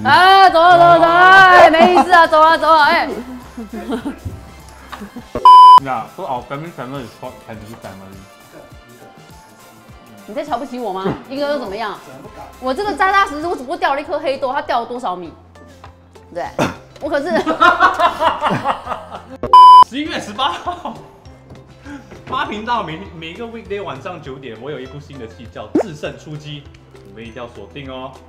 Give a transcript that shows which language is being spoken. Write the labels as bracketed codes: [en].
[zh] 啊，走了走了走了，没意思啊，走了走了，哎。 [en] 那 so our family channel is called Pen's Family. [zh] 你在瞧不起我吗？一个又怎么样？我这个扎扎实实，我只不过掉了一颗黑豆，它掉了多少米？对，我可是 11月18号，八频道每个 weekday 晚上9点，我有一部新的戏叫《制胜出击》，你们一定要锁定哦。